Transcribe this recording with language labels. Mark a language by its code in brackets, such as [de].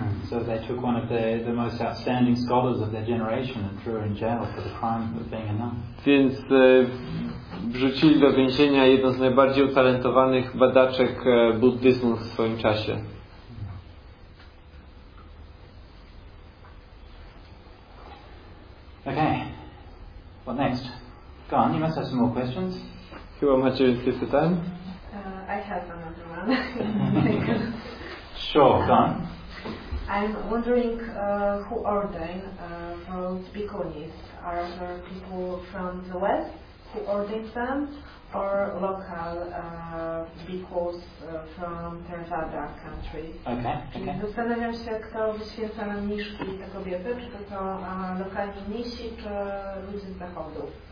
[en] So they took one of the most outstanding scholars of their generation and threw her in jail for the crime of being a nun. [pl] Więc wrzucili do więzienia jedną z najbardziej utalentowanych badaczek buddyzmu w swoim czasie. [en] Okay. What next? Go on, you must have some more questions. [pl] Chyba macie więcej pytań? [en] I have another one. Sure, go on. I'm wondering who ordain those bhikkhunis. Are there people from the West who ordain them, or local bhikkhus from Theravada country? Okay. [pl] Zastanawiam się, kto wyświęca nam mniszki, te kobiety, czy to są lokalni mnisi, czy ludzie z zachodu?